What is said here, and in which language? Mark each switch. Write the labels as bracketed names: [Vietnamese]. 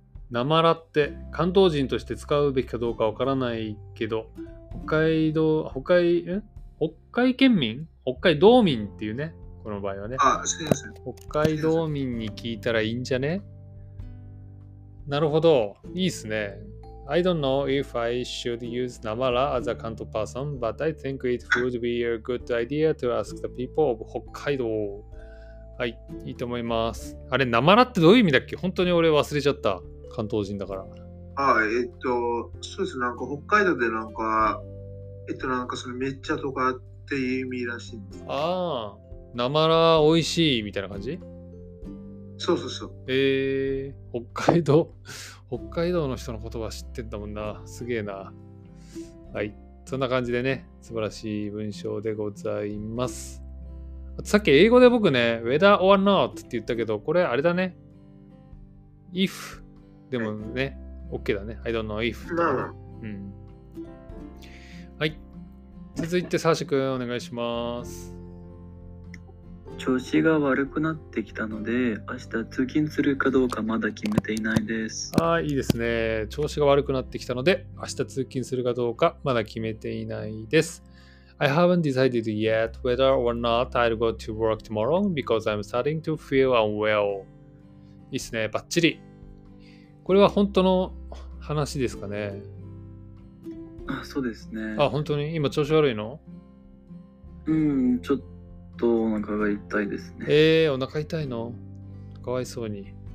[Japanese] なまらって関東人として使うべきかどうかわからないけど、北海道民っていうね、この場合はね。あ、すいません、北海道民に聞いたらいいんじゃね。なるほど、いいっすね。 [English] I don't know if I should use Namara as a Kanto person, but I think it would be a good idea to ask the people of Hokkaido. [Japanese] はい、いいと思います。あれ、Namara ってどういう意味だっけ？本当に俺忘れちゃった。関東人だから。はい、そうです。なんか北海道でなんか、なんかそのめっちゃとかっていう意味らしいんです。ああ、Namara美味しいみたいな感じ？そうそうそう。北海道。北海道の人の言葉知ってんだもんな。すげえな。はい。そんな感じでね、素晴らしい文章でございます。あとさっき英語で僕ね、 [English] whether or not [Japanese] って言ったけど、これあれだね。 if でもね、OK だね。 [English] I don't know if。 [Japanese] なる、うん。はい。続いて、サーシ君、お願いします。調子が悪くなってきたので、明日通勤するかどうかまだ決めていないです。あ、いいですね。調子が悪くなってきたので、明日通勤するかどうかまだ決めていないです。 [English] I haven't decided yet whether or not I'll go to work tomorrow because I'm starting to feel unwell. [Japanese] いいですね。バッチリ。これは本当の話ですかね。あ、そうですね。あ、本当に今調子悪いの？ちょっと。お腹が痛いですね。お腹痛いの？かわいそうに。